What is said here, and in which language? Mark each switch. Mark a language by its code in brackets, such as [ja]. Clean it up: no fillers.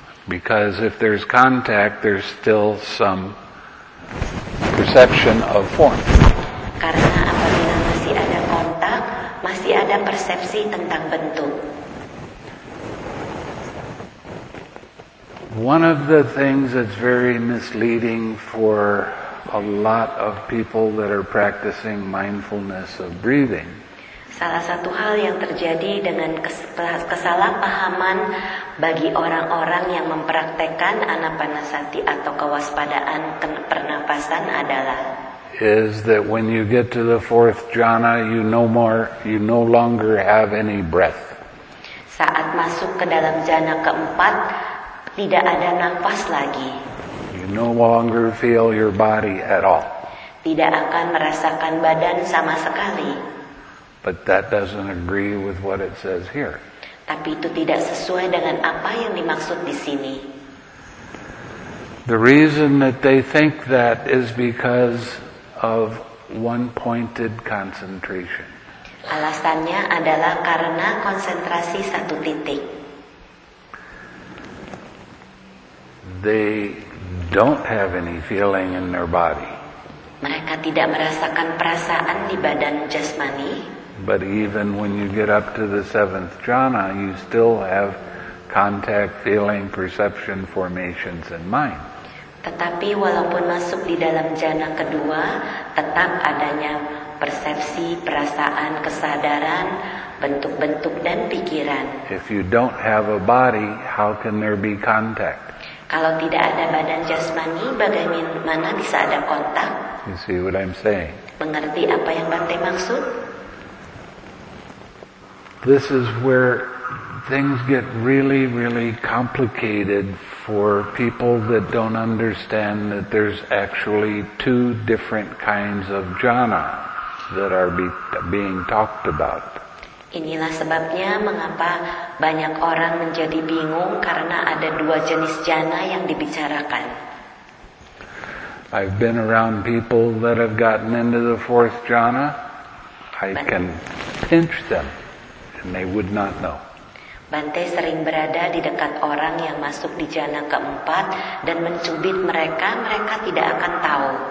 [en] Because if there's contact, there's still some perception of form. [id] Karena apabila masih ada kontak, masih ada persepsi tentang bentuk. [en] One of the things that's very misleading for a lot of people that are practicing mindfulness of breathing. [id] Salah satu hal yang terjadi dengan kesalahpahaman bagi orang-orang yang mempraktekkan anapanasati atau kewaspadaan pernapasan adalah [en] is that when you get to the fourth jhana, you no longer have any breath. [id] Saat masuk ke dalam jhana keempat, tidak ada nafas lagi. [en] You no longer feel your body at all. [id] Tidak akan merasakan badan sama sekali. [en] But that doesn't agree with what it says here. [id] Tapi itu tidak sesuai dengan apa yang dimaksud di sini. [en] The reason that they think that is because of one-pointed concentration. [id] Alasannya adalah karena konsentrasi satu titik. [en] They don't have any feeling in their body. [id] Mereka tidak merasakan perasaan di badan jasmani. [en] But even when you get up to the seventh jhana, you still have contact, feeling, perception, formations, and mind. [id] Tetapi walaupun masuk di dalam jhana kedua, tetap adanya persepsi, perasaan, kesadaran, bentuk-bentuk, dan pikiran. [en] If you don't have a body, how can there be contact? [id] Kalau tidak ada badan jasmani, bagaimana bisa ada kontak? [en] You see what I'm saying? [id] Mengerti apa yang Bante maksud? [en] This is where things get really, really complicated for people that don't understand that there's actually two different kinds of jhana that are being talked about. [id] Inilah sebabnya mengapa banyak orang menjadi bingung karena ada dua jenis jhana yang dibicarakan. [en] I've been around people that have gotten into the fourth jhana. I can pinch them and they would not know. [id] Bante sering berada di dekat orang yang masuk di jhana keempat dan mencubit mereka, mereka tidak akan tahu.